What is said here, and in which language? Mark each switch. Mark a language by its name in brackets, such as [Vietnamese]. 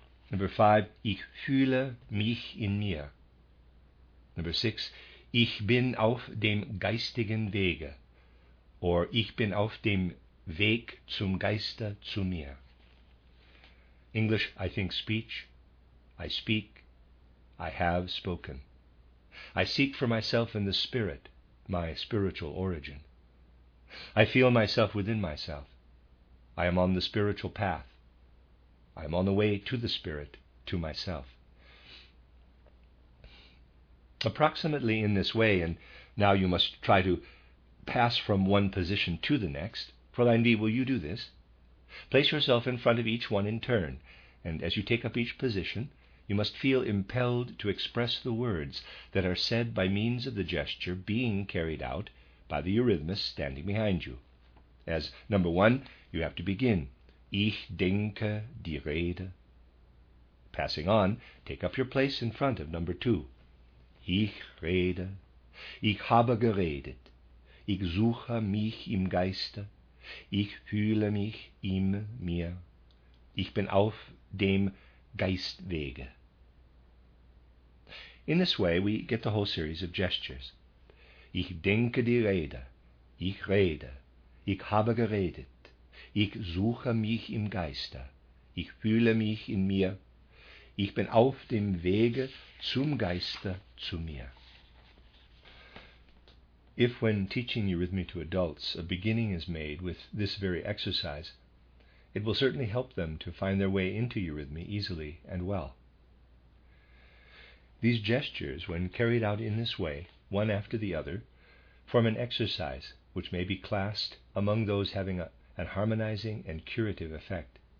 [German] Number 5, ich fühle mich in mir. Number 6, ich bin auf dem geistigen Wege, or ich bin auf dem Weg zum Geiste zu mir. [English] English, I think speech, I speak, I have spoken. I seek for myself in the spirit, my spiritual origin. I feel myself within myself. I am on the spiritual path. I am on the way to the spirit, to myself. Approximately in this way, and now you must try to pass from one position to the next. Fräulein D., will you do this? Place yourself in front of each one in turn, and as you take up each position, you must feel impelled to express the words that are said by means of the gesture being carried out by the eurythmist standing behind you. As number 1, you have to begin, [German] ich denke die Rede. [English] Passing on, take up your place in front of number 2. [German] Ich rede, ich habe geredet, ich suche mich im Geiste, ich fühle mich in mir, ich bin auf dem Geistwege. [English] In this way, we get the whole series of gestures. [German] Ich denke die Rede, ich rede, ich habe geredet, ich suche mich im Geiste, ich fühle mich in mir, ich bin auf dem Wege zum Geiste zu mir. [English] If when teaching eurythmy to adults a beginning is made with this very exercise, it will certainly help them to find their way into eurythmy easily and well. These gestures, when carried out in this way, one after the other, form an exercise which may be classed among those having an harmonizing and curative effect.